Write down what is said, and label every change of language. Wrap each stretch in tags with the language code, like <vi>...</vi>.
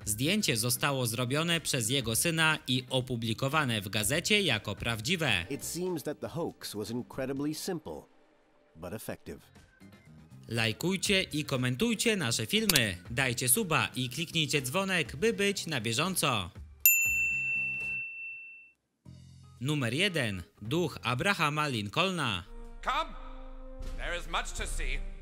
<pl>Zdjęcie zostało zrobione przez jego syna i opublikowane w gazecie jako prawdziwe.</pl> <en>It seems that the hoax was incredibly simple, but effective.</en> <pl>Lajkujcie i komentujcie nasze filmy. Dajcie suba i kliknijcie dzwonek, by być na bieżąco. Numer 1. Duch Abrahama Lincolna.</pl> <en>Come. There is much to see.</en>